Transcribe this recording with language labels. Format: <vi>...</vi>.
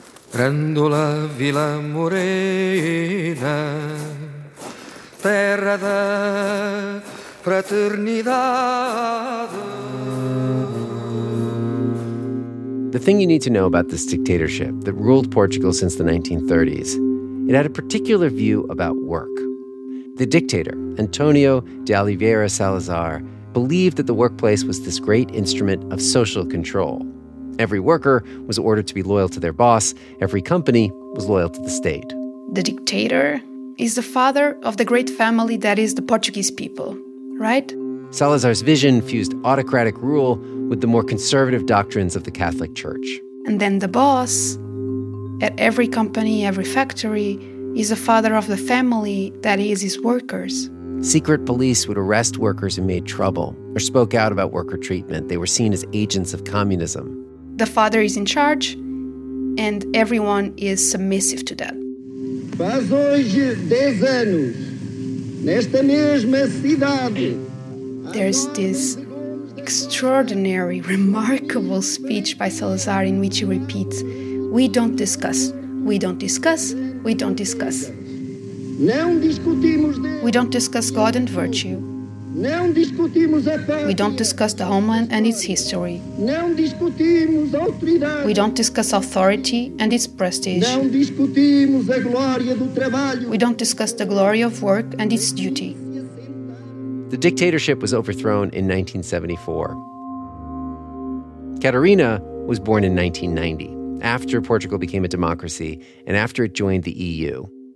<pt>Grandula Villa Morena, terra da fraternidade.</pt> <en>The thing you need to know about this dictatorship that ruled Portugal since the 1930s, it had a particular view about work. The dictator, Antonio de Oliveira Salazar, believed that the workplace was this great instrument of social control. Every worker was ordered to be loyal to their boss. Every company was loyal to the state. The dictator is the father of the great family that is the Portuguese people, right? Salazar's vision fused autocratic rule with the more conservative doctrines of the Catholic Church. And then the boss at every company, every factory, is the father of the family that is his workers. Secret police would arrest workers who made trouble or spoke out about worker treatment. They were seen as agents of communism. The father is in charge, and everyone is submissive to that.</en> <pt>Faz hoje 10 anos, nesta mesma cidade.</pt> <en>There's this extraordinary, remarkable speech by Salazar in which he repeats, we don't discuss, we don't discuss, we don't discuss.</en> <pt>Não discutimos de...</pt> <en>We don't discuss God and virtue.</en> <pt>Não discutimos a pátria.</pt> <en>We don't discuss the homeland and its history.</en> <pt>Não discutimos a autoridade.</pt> <en>We don't discuss authority and its prestige.</en> <pt>Não discutimos a glória do trabalho.</pt> <en>We don't discuss the glory of work and its duty. The dictatorship was overthrown in 1974. Catarina was born in 1990, after Portugal became a democracy and after it joined the EU.</en>